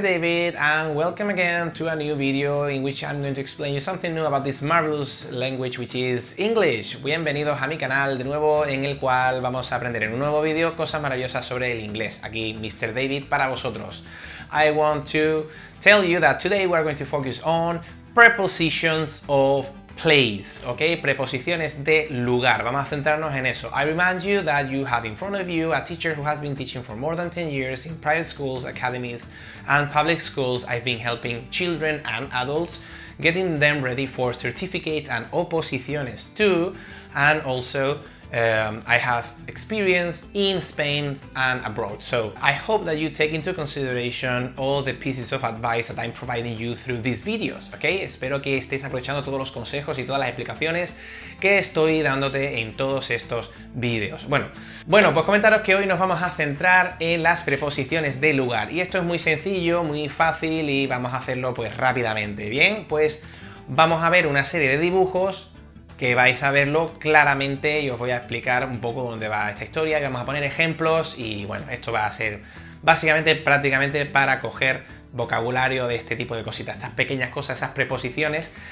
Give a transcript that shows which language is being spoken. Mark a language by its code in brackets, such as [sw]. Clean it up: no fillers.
[en] David and welcome again to a new video in which I'm going to explain you something new about this marvelous language which is English. [es] Bienvenidos a mi canal de nuevo en el cual vamos a aprender en un nuevo video cosas maravillosas sobre el inglés. Aquí Mr. David para vosotros. [en] I want to tell you that today we are going to focus on prepositions of place, ok? [es] Preposiciones de lugar. Vamos a centrarnos en eso. [en] I remind you that you have in front of you a teacher who has been teaching for more than 10 years in private schools, academies, and public schools. I've been helping children and adults, getting them ready for certificates and oposiciones too. And also, I have experience in Spain and abroad. So I hope that you take into consideration all the pieces of advice that I'm providing you through these videos, okay? [es] Espero que estéis aprovechando todos los consejos y todas las explicaciones que estoy dándote en todos estos videos. Bueno, pues comentaros que hoy nos vamos a centrar en las preposiciones de lugar. Y esto es muy sencillo, muy fácil y vamos a hacerlo pues rápidamente. Bien, pues vamos a ver una serie de dibujos que vais a verlo claramente y os voy a explicar un poco dónde va esta historia, que vamos a poner ejemplos y bueno, esto va a ser básicamente prácticamente para coger vocabulario de este tipo de cositas, estas pequeñas cosas, esas preposiciones.